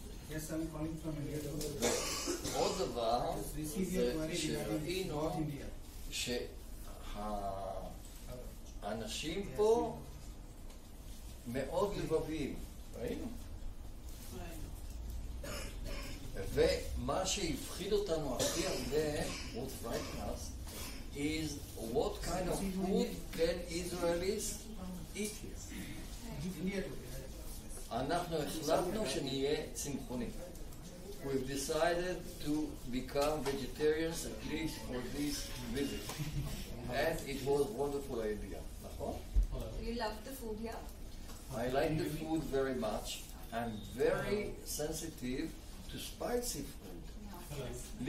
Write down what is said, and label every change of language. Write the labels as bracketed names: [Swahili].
[English] Yes, I'm calling from [Hebrew] Indiator. עוד דבר שראינו שהאנשים פה מאוד לבבים, ראינו? ומה שהפחיד אותנו הכי הרבה, [English] what frightened us, [Hebrew] is what kind of food can Israelis eat here. אנחנו החלטנו שנהיה צמחונים. [English] We've decided to become vegetarians at least for this visit. And it was a wonderful idea. You love the food here? I like the food very much. I'm very sensitive to spicy food.